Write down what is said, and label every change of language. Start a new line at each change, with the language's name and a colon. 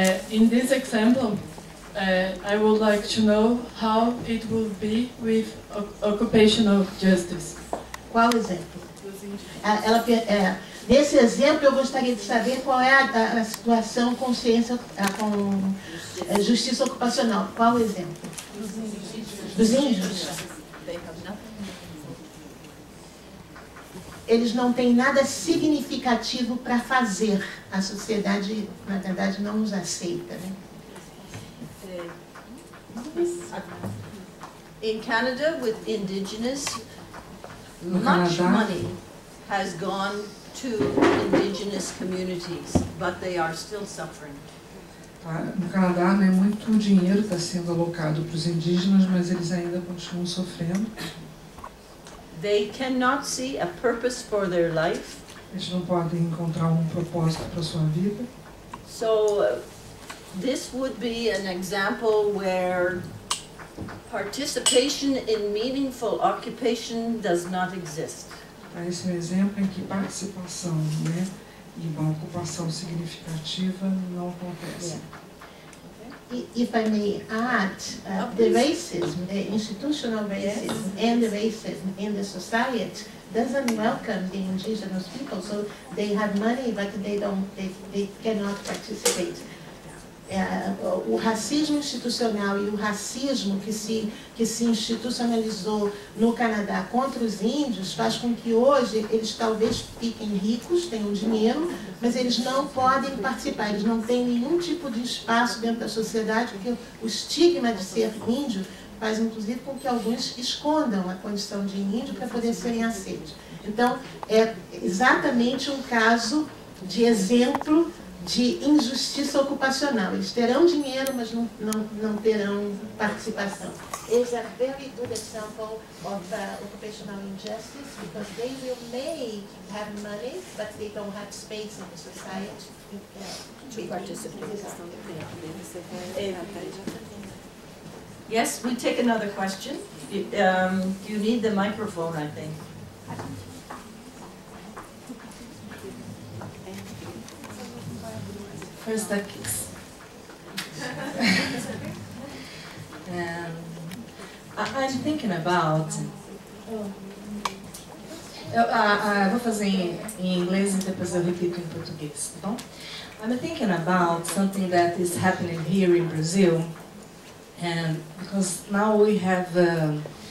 English: In this example, I would like to know how it will be with occupational justice.
Portuguese: Qual exemplo? Nesse exemplo, eu gostaria de saber qual é a situação com ciência, com justiça ocupacional. Qual exemplo? Dos índios. Eles não têm nada significativo para fazer. A sociedade, na verdade, não os aceita. Né?
English: In Canada, with indigenous, much money has gone to indigenous communities, but they are still suffering.
Portuguese: No Canadá, né, muito dinheiro está sendo alocado para os indígenas, mas eles ainda continuam sofrendo.
English: They cannot see a purpose for their life.
Portuguese: Eles não podem encontrar propósito para sua vida.
English: So, this would be an example where participation in meaningful occupation does not exist.
Portuguese: Esse é um exemplo em que participação, né, e uma ocupação significativa não acontece.
English: If I may add, the racism, the institutional racism, yes, and the racism in the society doesn't welcome the indigenous people. So they have money, but they cannot participate.
Portuguese: O racismo institucional e o racismo que se institucionalizou no Canadá contra os índios faz com que hoje eles talvez fiquem ricos, tenham dinheiro, mas eles não podem participar, eles não têm nenhum tipo de espaço dentro da sociedade, porque o estigma de ser índio faz inclusive com que alguns escondam a condição de índio para poder serem aceitos. Então, é exatamente um caso de exemplo de injustiça ocupacional. Eles terão dinheiro, mas não terão participação.
English: It's a very good example of occupational injustice because they may have money, but they don't have space in the society to participate. Yes, we take another question. You need the microphone, I think. First, the kiss. I'm thinking about.
Portuguese: Eu vou fazer em inglês e depois eu repito em português, tá bom?
English: I'm thinking about something that is happening here in Brazil, and because now we have a